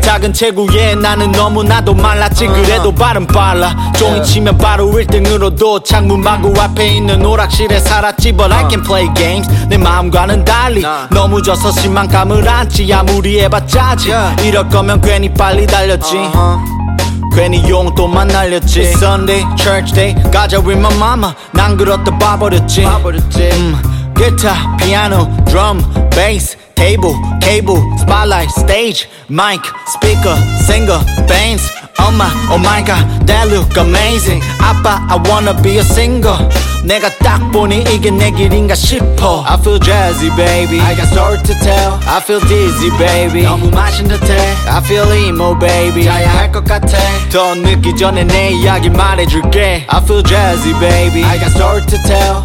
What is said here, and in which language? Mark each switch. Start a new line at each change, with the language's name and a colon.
Korean: 작은 체구에 나는 너무나도 말랐지. 그래도 발은 빨라. 종이 치면 바로 1등으로 도착. 문방구 앞에 있는 오락실에 살았지.
English: But I can play games.
Korean: 내 마음과는 달리 너무 져서 실망감을 안지. 아무리 해봤자 아직 이럴 거면 괜히 빨리 달렸지. 괜히 용돈만 날렸지.
English: It's Sunday, church day.
Korean: 가자
English: with my mama.
Korean: 난 그렇다 봐버렸지. 봐버렸지.
English: Guitar, piano, drum, bass, table, cable, spotlight, stage, mic, speaker, singer, bands. Oh my, oh my god, that look amazing.
Korean: 아빠,
English: I wanna be a singer.
Korean: 내가 딱 보니 이게 내 길인가 싶어.
English: I feel jazzy, baby. I got story to tell. I feel dizzy, baby.
Korean: 너무 마신 듯해.
English: I feel emo, baby.
Korean: 자야 할 것 같아. 더 늦기 전에 내 이야기 말해줄게.
English: I feel jazzy, baby. I got story to tell.